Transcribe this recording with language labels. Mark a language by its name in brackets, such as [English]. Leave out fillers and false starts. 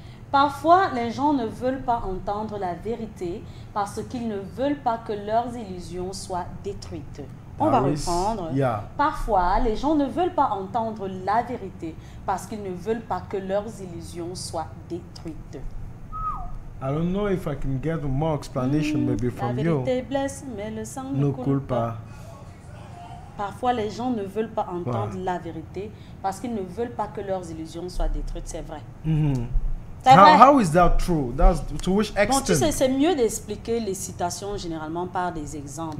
[French] Parfois, les gens ne veulent pas entendre la vérité parce qu'ils ne veulent pas que leurs illusions soient détruites. On va reprendre. [English] Yeah. [French] Parfois, les gens ne veulent pas entendre la vérité parce qu'ils ne veulent pas que leurs illusions soient détruites. [English] I don't know if I can get more explanation maybe from you. [French] La vérité blesse, mais le sang ne coule pas. Parfois, les gens ne veulent pas entendre la vérité parce qu'ils ne veulent pas que leurs illusions soient détruites. C'est vrai. [English] How is that true? That's to which extent? [French] Bon, tu sais, c'est mieux d'expliquer les citations généralement par des exemples.